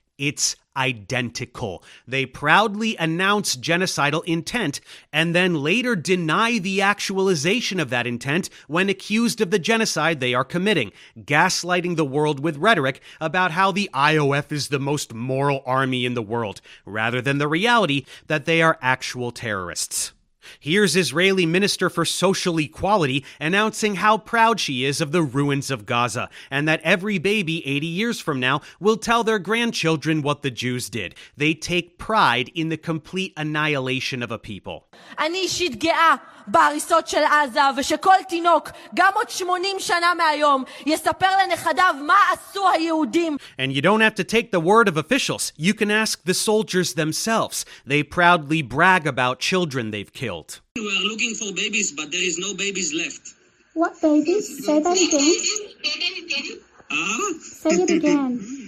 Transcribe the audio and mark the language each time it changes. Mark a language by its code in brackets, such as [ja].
[en] It's identical. They proudly announce genocidal intent and then later deny the actualization of that intent when accused of the genocide they are committing, gaslighting the world with rhetoric about how the IOF is the most moral army in the world, rather than the reality that they are actual terrorists. Here's Israeli Minister for Social Equality announcing how proud she is of the ruins of Gaza, and that every baby 80 years from now will tell their grandchildren what the Jews did. They take pride in the complete annihilation of a people. [he] אני אישית גאה בהריסות של עזה, ושכל תינוק, גם עוד 80 שנה מהיום, יספר לנכדיו מה עשו היהודים. [en] And you don't have to take the word of officials. You can ask the soldiers themselves. They proudly brag about children they've killed. We are looking for babies, but there is no babies left. What babies? Say that again. Say it again.